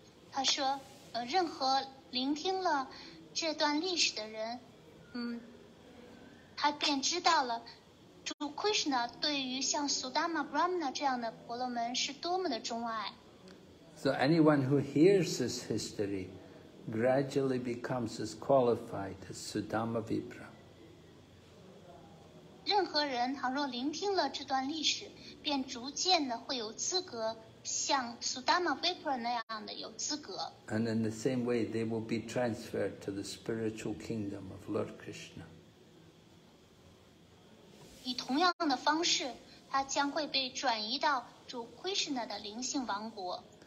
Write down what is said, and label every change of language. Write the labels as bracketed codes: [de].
[zh] 他说，任何聆听了这段历史的人，他便知道了，主 Krishna 对于像 Sudama Brahmana 这样的婆罗门是多么的钟爱。 [en] So anyone who hears this history gradually becomes as qualified as Sudama Vipra. [zh] 任何人倘若聆听了这段历史，便逐渐的会有资格。像 Sudama Vipra 那样的有资格。 [en] And in the same way, they will be transferred to the spiritual kingdom of Lord Krishna. [zh] 以同样的方式，他将会被转移到主 Krishna 的灵性王国。